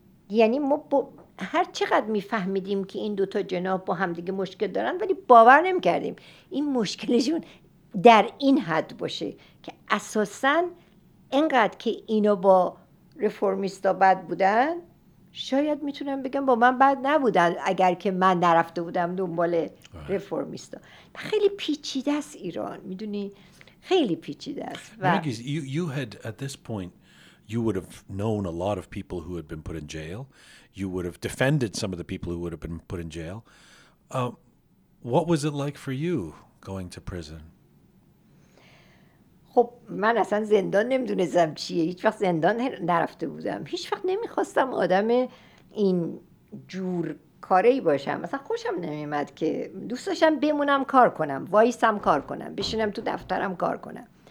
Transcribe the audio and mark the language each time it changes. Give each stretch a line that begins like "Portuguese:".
Persian: یعنی ما هر چقدر میفهمیدیم که این دوتا جناب با همدیگه مشکل دارن، ولی باور نمیکردیم این مشکلشون در این حد باشه که اساسا اینقدر که اینو با رفورمیستا بد بودن، شاید میتونم بگم با من بد نبودن اگر که من نرفته بودم دنبال رفورمیستا. خیلی پیچیده است ایران، میدونی؟ خیلی پیچیده است.
English: Mehrangiz, you had at this point, you would have known a lot of people who had been put in jail. You would have defended some of the people who would have been put in jail. What was it like for you going to prison?
Persian: خب من اصلا زندان نمیدونستم چیه، هیچ وقت زندان نرفته بودم، هیچ وقت نمیخواستم آدم این جور کاری باشم. مثلا خوشم نمیمد که دوست داشتم بمونم کار کنم، وایسم کار کنم، بشینم تو دفترم کار کنم.